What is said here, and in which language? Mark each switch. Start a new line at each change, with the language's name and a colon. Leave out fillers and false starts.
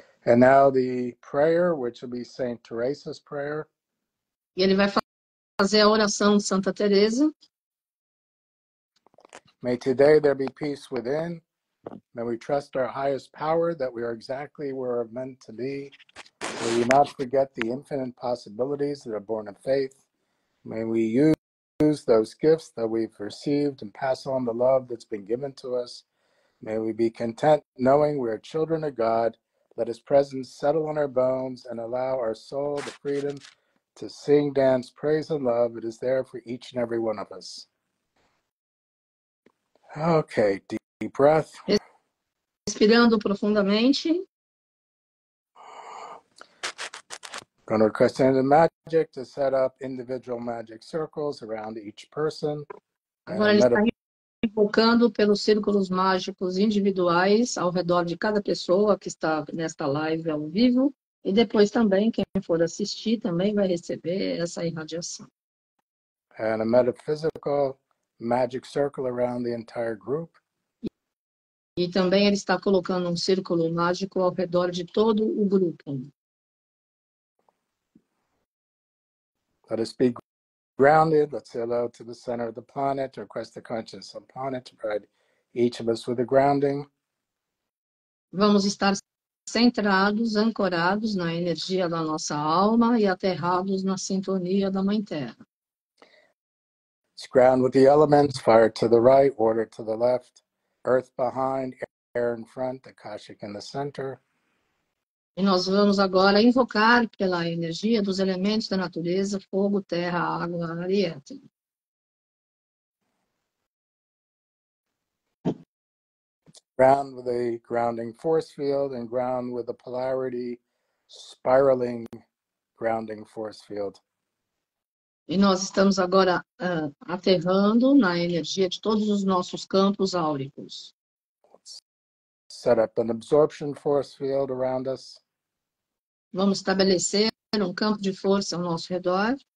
English: And now the prayer, which will be Saint Teresa's prayer.
Portuguese: E ele vai fazer a oração de Santa Teresa.
English: May today there be peace within. May we trust our highest power that we are exactly where we're meant to be. May we not forget the infinite possibilities that are born of faith. May we use those gifts that we've received and pass on the love that's been given to us. May we be content knowing we are children of God. Let his presence settle on our bones and allow our soul the freedom to sing, dance, praise, and love. It is there for each and every one of us. Okay, deep breath.
Portuguese: Respirando profundamente.
English: Going to request any magic to set up individual magic circles around each person.
Portuguese: Agora ele está invocando pelos círculos mágicos individuais ao redor de cada pessoa que está nesta live ao vivo. E depois também, quem for assistir também vai receber essa irradiação.
English: And a metaphysical magic circle around the entire group.
Portuguese: E também ele está colocando um círculo mágico ao redor de todo o grupo.
English: Let us be grounded. Let's say hello to the center of the planet. Request the consciousness of the planet to provide each of us with a grounding.
Portuguese: Vamos estar centrados, ancorados na energia da nossa alma e aterrados na sintonia da Mãe Terra.
English: Let's ground with the elements, fire to the right, water to the left, earth behind, air in front, akashic in the center.
Portuguese: E nós vamos agora invocar pela energia dos elementos da natureza, fogo, terra, água, ar e éter.
English: Ground with a grounding force field and ground with a polarity spiraling grounding force field.
Portuguese: E nós estamos agora aterrando na energia de todos os nossos campos áuricos.
English: Set up an absorption force field around us.
Portuguese: Vamos estabelecer um campo de força ao nosso redor.